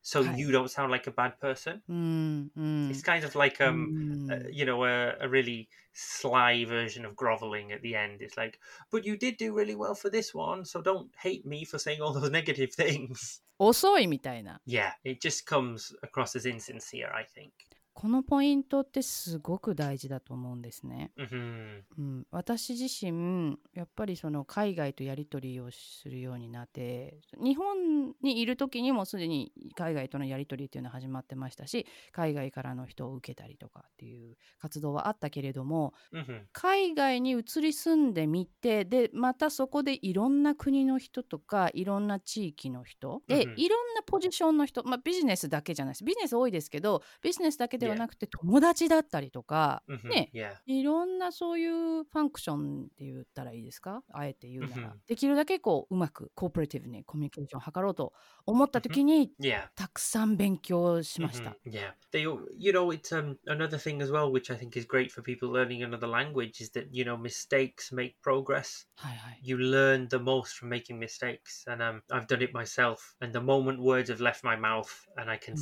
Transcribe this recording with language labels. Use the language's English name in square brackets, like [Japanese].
[English] So、you don't sound like a bad person.、It's kind of like,、you know, a really... sly version of groveling at the end it's like but you did do really well for this one so don't hate me for saying all those negative things [Japanese] 遅いみたいな [English] yeah it just comes across as insincere I think [Japanese] このポイントってすごく大事だと思うんですね、 mm-hmm. うん、私自身やっぱりその海外とやり取りをするようになって日本にいる時にもすでに海外とのやり取りっていうのは始まってましたし海外からの人を受けたりとかっていう活動はあったけれども、 mm-hmm. 海外に移り住んでみてでまたそこでいろんな国の人とかいろんな地域の人で、mm-hmm. いろんなポジションの人、まあ、ビジネスだけじゃないですビジネス多いですけどビジネスだけではなくて友達だったりとか、ね yeah. いろんなそういうファンクションって言ったらいいですかあえて言うなら、mm-hmm. できるだけこううまくコーポレティブにコミュニケーションを図ろうと思った時に、 mm-hmm. yeah. たくさん勉強しました、 mm-hmm. yeah. [English] They, you know it's、another thing as well which I think is great for people learning another language is that you know mistakes make progress、 [Japanese] はいはい、 [English] you learn the most from making mistakes and、I've done it myself and the moment words have left my mouth and I can、mm-hmm.